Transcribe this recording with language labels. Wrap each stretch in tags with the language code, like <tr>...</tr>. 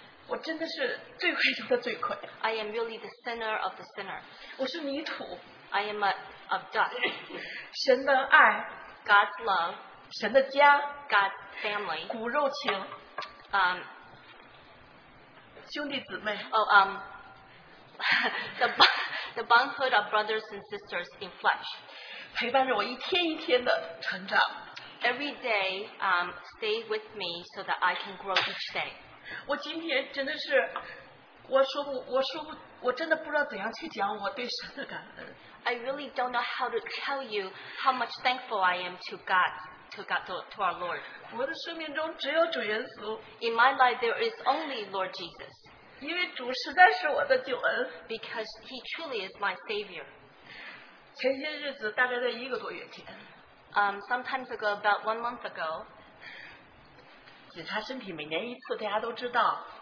<zh>我真的是罪魁中的罪魁,</zh> <en>I am really the sinner of the sinner.</en> <zh>我是泥土,</zh> <en>I am a of dust.</en> <zh>神的爱,</zh> <en>God's love,</en> <zh>神的家,</zh> <en>God's family,</en> <zh>骨肉情, 兄弟姊妹,</zh> <en>the bondhood of brothers and sisters in flesh.</en> <zh>陪伴着我一天一天的成长,</zh> <en>every day stay with me so that I can grow each day.</en> <zh>我今天真的是, 我真的不知道怎样去讲我对神的感恩。</zh> <en>I really don't know how to tell you how much thankful I am to God, to our Lord.</en> <zh>我的生命中只有主耶稣。</zh> <en>In my life, there is only Lord Jesus.</en> <zh>因为主实在是我的救恩。</zh> <en>Because He truly is my Savior.</en> <zh>前些日子大概在一个多月前,</zh> <en>sometimes ago, about 1 month ago,</en> <zh>检查身体每年一次，大家都知道。</zh>